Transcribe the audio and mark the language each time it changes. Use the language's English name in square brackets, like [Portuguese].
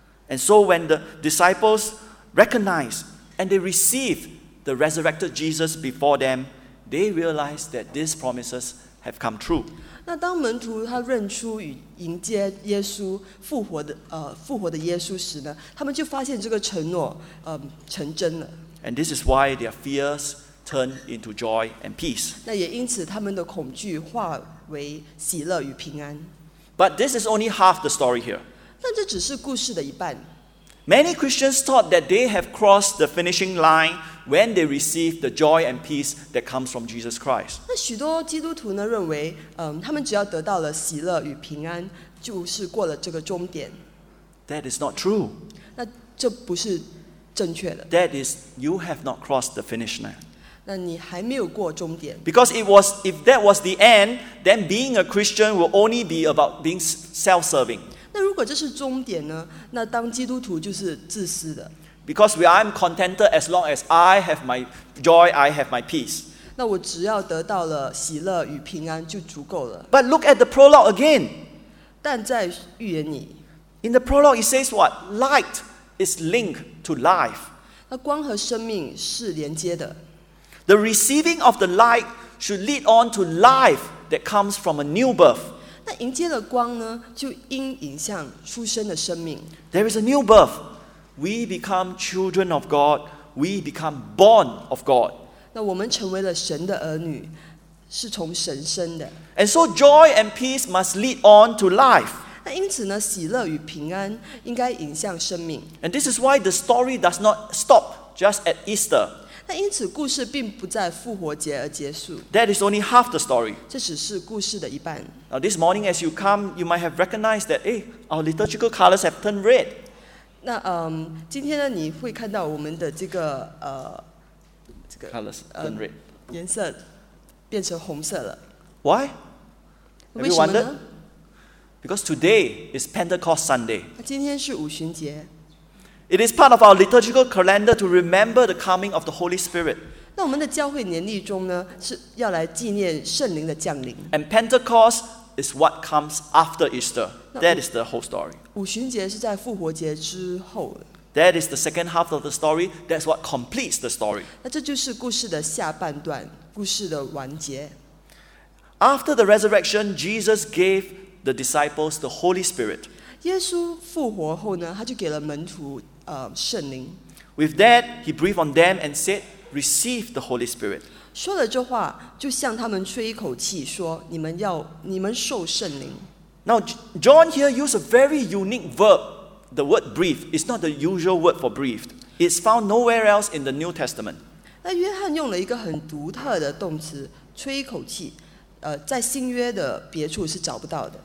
[English] And so when the disciples recognize and they receive the resurrected Jesus before them,They realize that these promises have come true. [Chinese] 那当门徒他认出与迎接耶稣复活的耶稣时呢，他们就发现这个承诺成真了。 [English] And this is why their fears turn into joy and peace. [Chinese] 那也因此他们的恐惧化为喜乐与平安。 [English] But this is only half the story here. [Chinese] 但这只是故事的一半。 [English] Many Christians thought that they have crossed the finishing line when they received the joy and peace that comes from Jesus Christ. [Chinese] 那许多基督徒呢认为，他们只要得到了喜乐与平安，就是过了这个终点。 [English] That is not true. [Chinese] 那这不是正确的。 [English] That is, you have not crossed the finish line. [Chinese] 那你还没有过终点。 [English] Because if that was the end, then being a Christian will only be about being self-serving. [Chinese] 那如果这是终点呢？那当基督徒就是自私的。 [English] Because I'm contented as long as I have my joy, I have my peace. [Chinese] 那我只要得到了喜乐与平安就足够了。 [English] But look at the prologue again. [Chinese] 但在预言里。 [English] In the prologue, it says what? Light is linked to life. [Chinese] 那光和生命是连接的。 [English] The receiving of the light should lead on to life that comes from a new birth. [Chinese] 那迎接了光呢，就应迎向出生的生命。 [English] There is a new birth. We become children of God. We become born of God. [Chinese] 那我们成为了神的儿女，是从神生的。 [English] And so joy and peace must lead on to life. [Chinese] 那因此呢，喜乐与平安应该迎向生命。 [English] And this is why the story does not stop just at Easter. [Chinese] 那因此故事并不在复活节而结束。 [English] That is only half the story. [Chinese] 这只是故事的一半。 [English] Now this morning as you come, you might have recognized that, our liturgical colors have turned red. [Chinese] 那今天呢，你会看到我们的这个 [English] colors turn red. [Chinese] 颜色变成红色了。 [English] Why? Have you wondered? Because today is Pentecost Sunday. [Chinese] 今天是五旬节。 [English] It is part of our liturgical calendar to remember the coming of the Holy Spirit. [Chinese] 那我们的教会年历中呢，是要来纪念圣灵的降临。 [English] And Pentecost is what comes after Easter. That is the whole story. [Chinese] 五旬节是在复活节之后。 [English] That is the second half of the story. That's what completes the story. [Chinese] 那这就是故事的下半段，故事的完结。 [English] After the resurrection, Jesus gave the disciples the Holy Spirit. [Chinese] 耶稣复活后呢，他就给了门徒圣灵。 [English] With that, he breathed on them and said, "Receive the Holy Spirit." [Chinese] 说了这话，就向他们吹一口气，说：“你们受圣灵。” [English] Now, John here used a very unique verb. The word "breathe" is not the usual word for "breathed." It's found nowhere else in the New Testament. [Chinese] 那约翰用了一个很独特的动词，吹一口气。在新约的别处是找不到的。